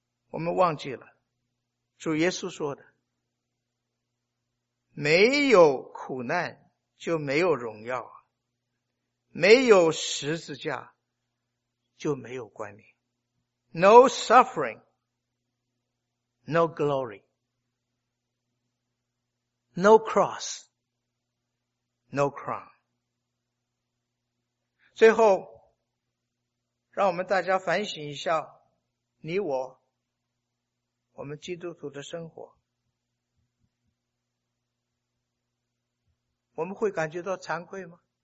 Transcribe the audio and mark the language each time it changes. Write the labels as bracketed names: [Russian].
[Chinese] 我们忘记了主耶稣说的，没有苦难就没有荣耀，没有十字架就没有冠冕。 [English] No suffering, no glory,No cross, no crown. [Chinese] 最后，让我们大家反省一下，你我，我们基督徒的生活。我们会感觉到惭愧吗？